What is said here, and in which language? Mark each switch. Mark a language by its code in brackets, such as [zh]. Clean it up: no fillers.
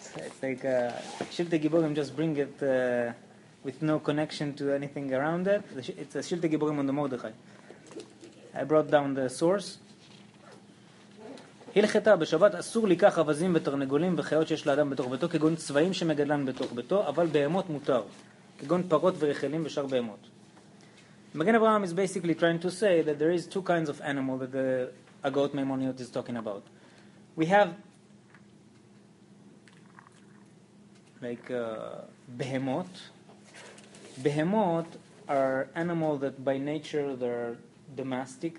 [en] It's like Shilti Giboirim just bring it with no connection to anything around it. It's a Shilti Giboirim on the Mordechai. I brought down the source. [he] הלכתה בשבת אסור לקח אווזים ותרנגולים וחיות שיש לאדם בתוך ביתו כגון צבעים שמגדלן בתוך ביתו אבל בהמות מותר כגון פרות ורחלים ושאר בהמות. [en] מגן אברהם is basically trying to say that there is two kinds of animal that the Agaot Maimoniot is talking about. We have like בהמות. בהמות are animal that by nature they're domestic.